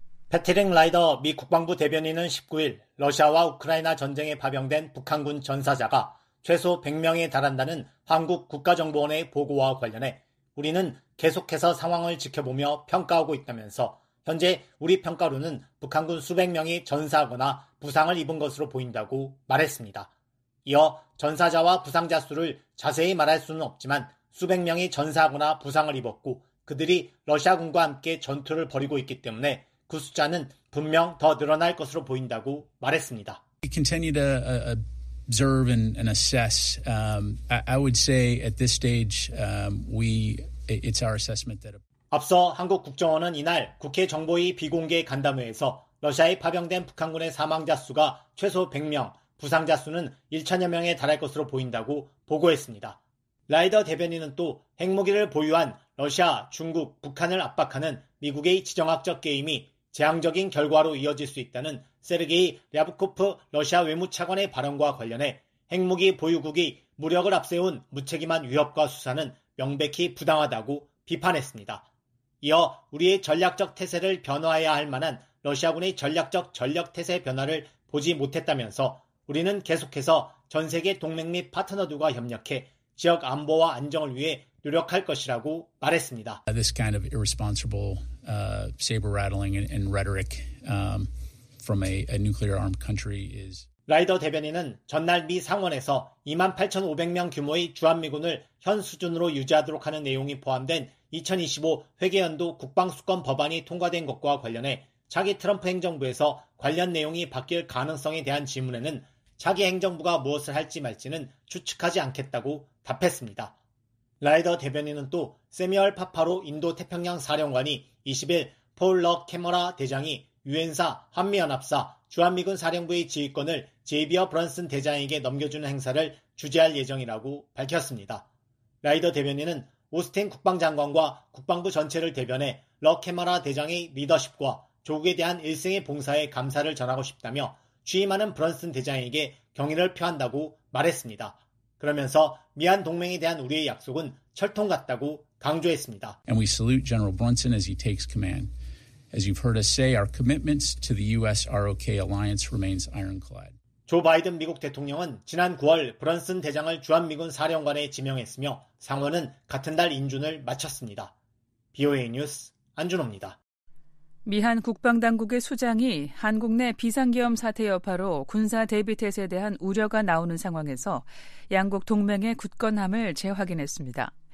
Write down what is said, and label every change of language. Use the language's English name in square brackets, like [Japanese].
[Korean] 패트릭 라이더 미 국방부 대변인은 19일 러시아와 우크라이나 전쟁에 파병된 북한군 전사자가 최소 100명에 달한다는 한국 국가정보원의 보고와 관련해 우리는 계속해서 상황을 지켜보며 평가하고 있다면서 현재 우리 평가로는 북한군 수백 명이 전사하거나 부상을 입은 것으로 보인다고 말했습니다. 이어 전사자와 부상자 수를 자세히 말할 수는 없지만 수백 명이 전사하거나 부상을 입었고 그들이 러시아군과 함께 전투를 벌이고 있기 때문에 그 숫자는 분명 더 늘어날 것으로 보인다고 말했습니다. [English] Observe and assess. I would say at this stage, it's our assessment that. [Korean] 앞서 한국 국정원은 이날 국회 정보위 비공개 간담회에서 러시아에 파병된 북한군의 사망자 수가 최소 100명, 부상자 수는 1천여 명에 달할 것으로 보인다고 보고했습니다. 라이더 대변인은 또 핵무기를 보유한 러시아, 중국, 북한을 압박하는 미국의 지정학적 게임이 재앙적인 결과로 이어질 수 있다는 세르게이 랴브코프 러시아 외무차관의 발언과 관련해 핵무기 보유국이 무력을 앞세운 무책임한 위협과 수사는 명백히 부당하다고 비판했습니다. 이어 우리의 전략적 태세를 변화해야 할 만한 러시아군의 전략적 전력 태세 변화를 보지 못했다면서 우리는 계속해서 전 세계 동맹 및 파트너들과 협력해 지역 안보와 안정을 위해 노력할 것이라고 말했습니다. [English] This kind of irresponsible saber rattling and rhetoric from a nuclear armed country is [Korean] 라이더 대변인은 전날 미 상원에서 2만 8,500명 규모의 주한미군을 현 수준으로 유지하도록 하는 내용이 포함된 2025 회계연도 국방수권 법안이 통과된 것과 관련해 차기 트럼프 행정부에서 관련 내용이 바뀔 가능성에 대한 질문에는 차기 행정부가 무엇을 할지 말지는 추측하지 않겠다고 답했습니다. 라이더 대변인은 또 세미얼 파파로 인도 태평양 사령관이 20일 폴 러 캐머라 대장이 유엔사, 한미연합사, 주한미군 사령부의 지휘권을 제이비어 브런슨 대장에게 넘겨주는 행사를 주재할 예정이라고 밝혔습니다. 라이더 대변인은 오스틴 국방장관과 국방부 전체를 대변해 러 캐머라 대장의 리더십과 조국에 대한 일생의 봉사에 감사를 전하고 싶다며 취임하는 브런슨 대장에게 경의를 표한다고 말했습니다. 그러면서 미한 동맹에 대한 우리의 약속은 철통 같다고 강조했습니다. [English] And we salute General Brunson as he takes command. As you've heard us say, our commitments to the US-ROK alliance remains ironclad. [Korean] 조 바이든 미국 대통령은 지난 9월 브런슨 대장을 주한미군 사령관에 지명했으며 상원은 같은 달 인준을 마쳤습니다. BOA 뉴스 안준호입니다. 미한 국방당국의 수장이 한국 내 비상계엄 사태 여파로 군사 대비태세에 대한 우려가 나오는 상황에서 양국 동맹의 굳건함을 재확인했습니다.